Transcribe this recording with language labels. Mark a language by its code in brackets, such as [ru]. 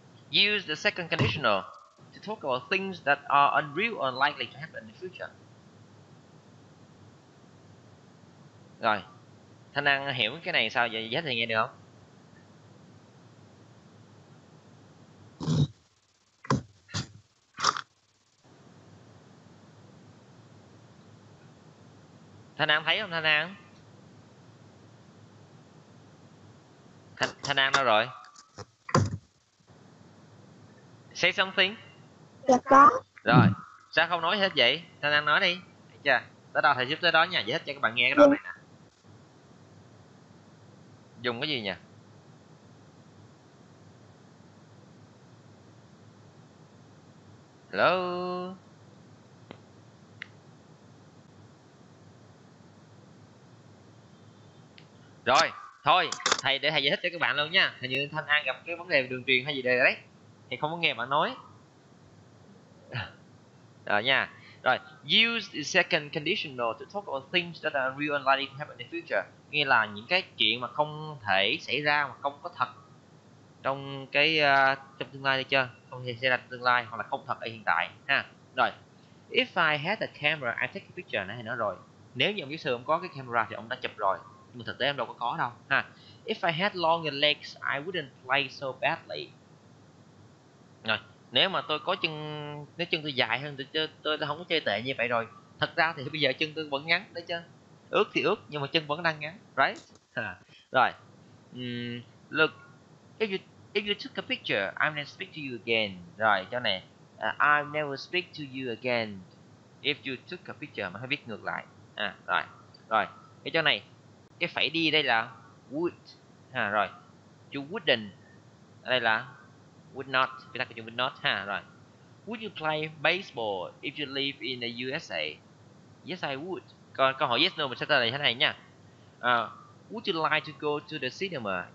[en] Use the second conditional to talk about things that are unreal or unlikely to happen in the future. [vi] Rồi, Thanh An hiểu cái này sao vậy? Giải thích nghe được không? Thanh An thấy không Thanh An? Thanh An đâu rồi? [en] Say something. [vi] Dạ có. Rồi, sao không nói hết vậy? Thanh An nói đi. Được chưa? Tới đâu thầy giúp tới đó nha, giải thích cho các bạn nghe cái đoạn này nè. Dùng cái gì nhỉ? [en] Hello. [vi] Rồi, thôi, thầy giải thích cho các bạn luôn nha. Hình như Thanh An gặp cái vấn đề đường truyền hay gì đây đấy. Thì không có nghe bạn nói. Rồi nha. [en] Rồi, use the second conditional to talk about things that are real and likely to happen in the future. [vi] Nghĩa là những cái chuyện mà không thể xảy ra mà không có thật trong cái trong tương lai, được chưa? Không thể xảy ra trong tương lai hoặc là không thật ở hiện tại ha. Rồi. [en] If I had a camera, I'd take a picture, [vi] nãy nói rồi. Nếu như ông giáo sư ông có cái camera thì ông đã chụp rồi. Nhưng mà thực tế ông đâu có đâu ha. [en] If I had longer legs, I wouldn't play so badly. Rồi, [vi] nếu mà tôi có chân, nếu chân tôi dài hơn tôi không có chơi tệ như vậy rồi. Thật ra thì bây giờ chân tôi vẫn ngắn đấy chứ, ước thì ước nhưng mà chân vẫn đang ngắn, right? [en] Rồi, look, if you took a picture, I'm gonna speak to you again. Rồi, chỗ này, I'll never speak to you again if you took a picture, [vi] mà hãy viết ngược lại. À, rồi, rồi, cái chỗ này, cái phải đi đây là would, ha, rồi, chữ wouldn't, đây là would not, viết tắt cái chữ would not, ha, rồi. [en] Would you play baseball if you live in the USA? Yes, I would. [vi] Câu hỏi yes no mình sẽ trả lời thế này nha. [en] Would you like to go to the cinema?